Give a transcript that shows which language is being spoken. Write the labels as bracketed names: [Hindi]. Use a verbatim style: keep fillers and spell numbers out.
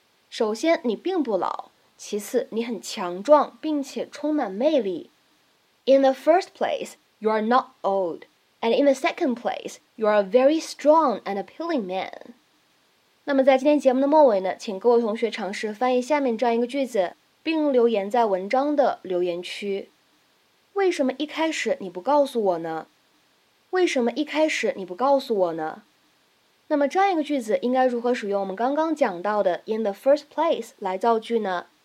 [Chinese] 首先你并不老，其次你很强壮并且充满魅力。 [English] In the first place, you are not old, and in the second place, you are a very strong and appealing man。 [Chinese] 那么在今天节目的末尾呢，请各位同学尝试翻译下面这样一个句子，并留言在文章的留言区。为什么一开始你不告诉我呢？为什么一开始你不告诉我呢？那么这样一个句子应该如何使用我们刚刚讲到的 in the first place 来造句呢？